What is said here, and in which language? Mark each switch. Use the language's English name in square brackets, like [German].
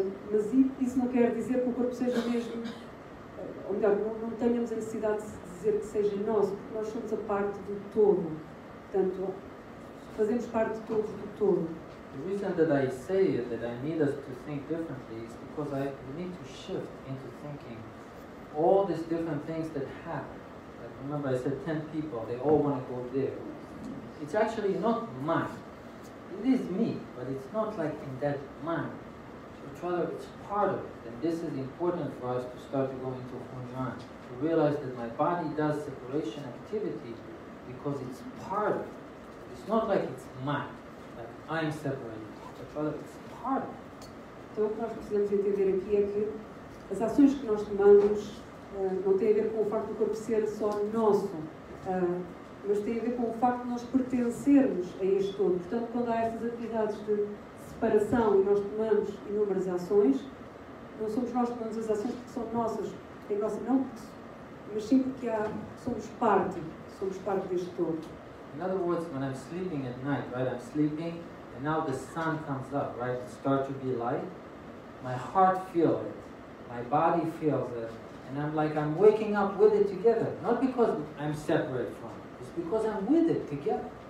[Portuguese] Mas isso não quer dizer que o corpo seja mesmo. Ou melhor, não tenhamos a necessidade de dizer que seja nosso, porque nós somos a parte do todo. Portanto, fazemos parte de todos do todo. [English] The reason that I say it, that I need us to think differently, is because I need to shift into thinking all these different things that happen. Like, remember I said 10 people, they all want to go there. It's actually not mine. It is me, but it's not like in that mind. Rather, it's part of it, and this is important for us to start to go into Hunyuan, to realize that my body does separation activity because it's part of it. It's not like it's mine, like I'm separated, but rather it's part of it. [Portuguese] Então, o que nós precisamos entender aqui é que as ações que nós tomamos não têm a ver com o facto do corpo ser só nosso, mas têm a ver com o facto de nós pertencermos a este todo. Portanto, quando há estas atividades de separação e nós tomamos inúmeras ações, não somos nós que tomamos as ações porque são nossas, é nossa, não, mas sim porque somos parte deste todo. [English] In other words, when I'm sleeping at night, right, I'm sleeping and now the sun comes up, right, it starts to be light, my heart feels it, my body feels it, and I'm like, I'm waking up with it together, not because I'm separate from it, it's because I'm with it together.